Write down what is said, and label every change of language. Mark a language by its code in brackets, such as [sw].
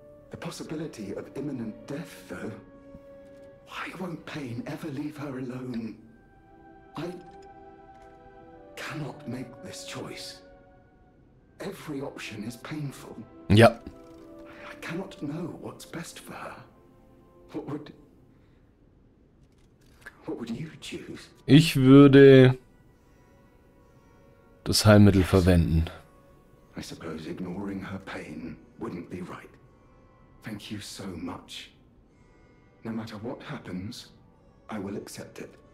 [en] The possibility of imminent death, though. Why won't pain ever leave her alone? I cannot make this choice. Every option is painful. Yep. I cannot know what's best for her. What would you choose? [de] Ich würde das Heilmittel verwenden. [en] I suppose ignoring her pain wouldn't be right. Thank you so much. No matter what happens, I will accept it.